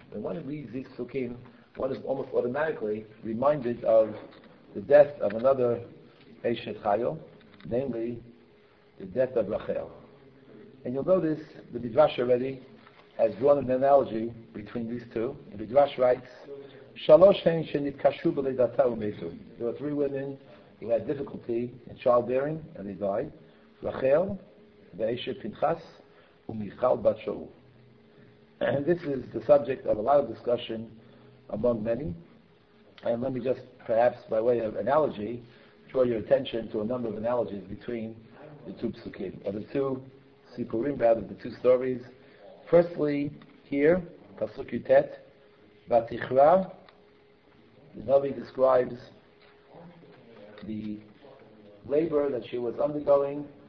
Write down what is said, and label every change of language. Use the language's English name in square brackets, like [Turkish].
[English] And when we read these psukim, one is almost automatically reminded of the death of another Eshet Chayil, namely, the death of Rachel. And you'll notice, the Midrash already has drawn an analogy between these two. [Hebrew] The Midrash writes, שלוש הן שנתקשו בלידתה ומתו. [English] There were three women who had difficulty in childbearing, and they died. [Hebrew] רחל, ואשת פנחס, ומיכל בת שאול. [English] And this is the subject of a lot of discussion among many. And let me just, perhaps, by way of analogy, draw your attention to a number of analogies between the two psukim, or the two sipurim, rather, the two stories. Firstly, here, [Hebrew] פסוק יתת, ותכרה, [English] the Navi describes the labor that she was undergoing.